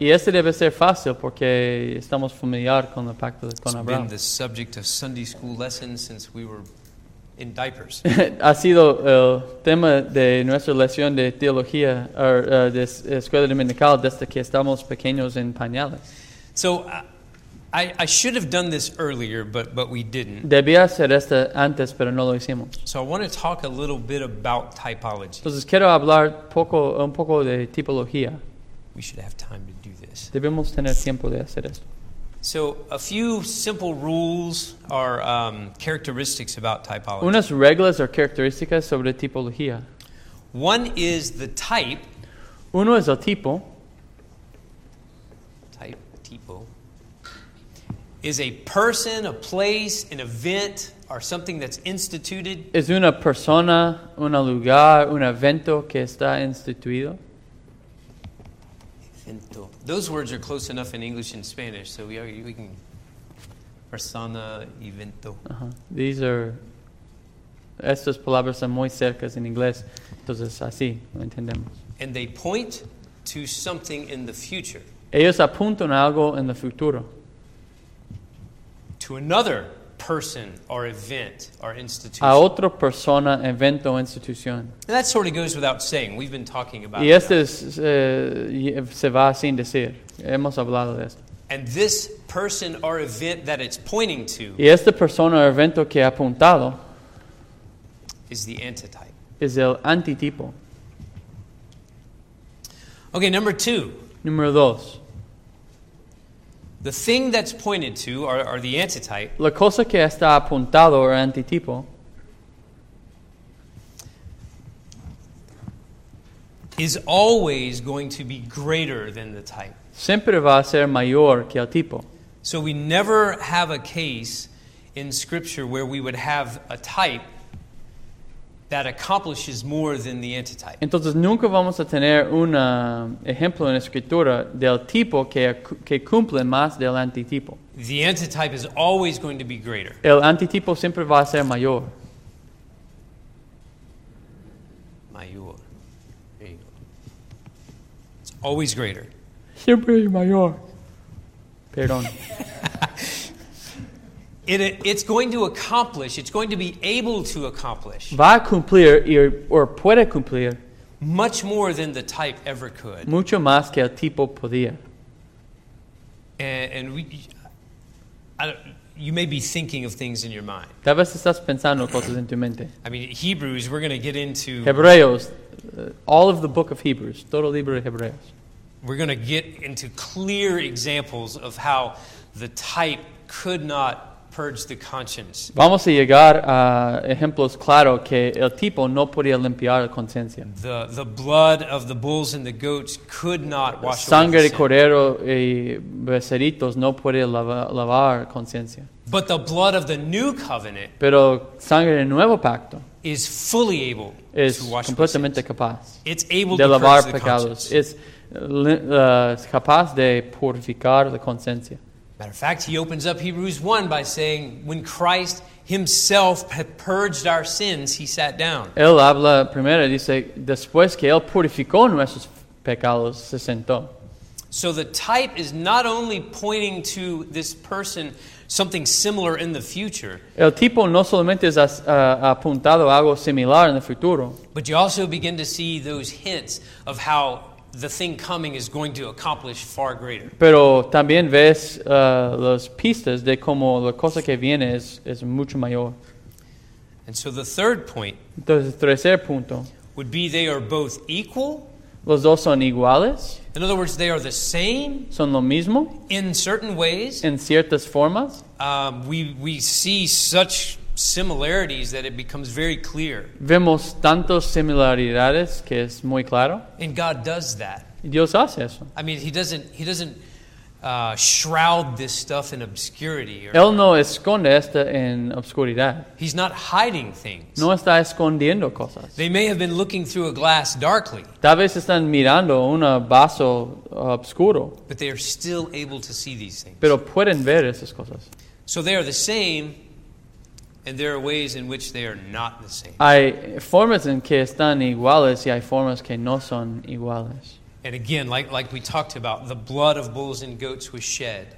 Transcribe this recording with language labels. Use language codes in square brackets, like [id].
[es] Y este debe ser fácil porque estamos familiar con el pacto con Abraham. [en] It's been the subject of Sunday school lessons since we were in diapers. [es] Ha sido el tema de nuestra lección de teología de escuela dominical desde que estamos pequeños en pañales. [en] So I should have done this earlier, but we didn't. [es] Debía hacer esto antes, pero no lo hicimos. [en] So I want to talk a little bit about typology. [es] Entonces quiero hablar un poco de tipología. [en] We should have time to do this. [es] Debemos tener tiempo de hacer esto. [en] So a few simple rules are characteristics about typology. [es] Unas reglas o características sobre tipología. [en] One is the type. [es] Uno es el tipo. [en] Type, tipo. Is a person, a place, an event, or something that's instituted? [es] Es una persona, un lugar, un evento que está instituido. Evento. [en] Those words are close enough in English and Spanish, so we can. [es] Persona, evento. [en] Uh-huh. These are. [es] Estas palabras son muy cercas en inglés, entonces así lo entendemos. [en] And they point to something in the future. [es] Ellos apuntan a algo en el futuro. [en] To another person or event or institution. [es] A otra persona, evento, institución. [en] And that sort of goes without saying. We've been talking about. [es] Y esto se va sin decir. Hemos hablado de esto. [en] And this person or event that it's pointing to. [es] Y esta persona o evento que ha apuntado. [en] Is the antitype. [es] Es el antitipo. [en] Okay, number two. [es] Número dos. [en] The thing that's pointed to, or the antitype. [es] La cosa que está apuntado, o antitipo. [en] Is always going to be greater than the type. [es] Siempre va a ser mayor que el tipo. [en] So we never have a case in Scripture where we would have a type that accomplishes more than the antitype. [es] Entonces nunca vamos a tener un ejemplo en escritura del tipo que cumple más del antitipo. [en] The antitype is always going to be greater. [es] El antitipo siempre va a ser mayor. [en] Mayor. It's always greater. [es] Siempre mayor. Perdón. [en] It's going to accomplish, it's going to be able to accomplish. [es] Va a cumplir, or puede cumplir. [en] Much more than the type ever could. [es] Mucho más que el tipo podía. [en] And we, you may be thinking of things in your mind. [es] Tal vez estás pensando cosas en tu mente. [en] I mean, Hebrews, we're going to get into. [es] Hebreos, [en] all of the book of Hebrews, [es] todo el libro de Hebreos. [en] We're going to get into clear examples of how the type could not. Purge the conscience. [es] Vamos a llegar a ejemplos claros que el tipo no podía limpiar la conciencia. [en] The blood of the bulls and the goats could not wash away sin. [es] Sangre de cordero y becerritos no puede lavar conciencia. [en] But the blood of the new covenant. [es] Pero sangre del nuevo pacto. [en] Is fully able. [es] Es [en] to wash [es] completamente capaz. [en] It's able [es] de [en] to [es] lavar [en] purge [es] pecados. [en] The conscience. [es] Es capaz de purificar la conciencia. [en] Matter of fact, he opens up Hebrews 1 by saying, when Christ himself had purged our sins, he sat down. [es] Él habla primero, dice, después que él purificó nuestros pecados, se sentó. [en] So the type is not only pointing to this person, something similar in the future. [es] El tipo no solamente es apuntado a algo similar en el futuro. [en] But you also begin to see those hints of how the thing coming is going to accomplish far greater. [es] Pero también ves las pistas de cómo la cosa que viene es mucho mayor. [en] And so the third point. [es] Entonces el tercer punto. [en] Would be they are both equal. [es] Los dos son iguales. [en] In other words, they are the same. [es] Son lo mismo. [en] In certain ways. [es] En ciertas formas. [en] We see such similarities that it becomes very clear. [es] Vemos tantas similaridades que es muy claro. [en] And God does that. [es] Dios hace eso. [en] I mean, he doesn't shroud this stuff in obscurity. [es] Él no esconde esto en obscuridad. [en] He's not hiding things. [es] No está escondiendo cosas. [en] They may have been looking through a glass darkly. [es] Tal vez están mirando un vaso oscuro. [en] But they are still able to see these things. [es] Pero pueden ver esas cosas. [en] So they are the same. And there are ways in which they are not the same. [es] Hay formas en que están iguales y hay formas que no son iguales. [en] And again, like we talked about, the blood of bulls and goats was shed.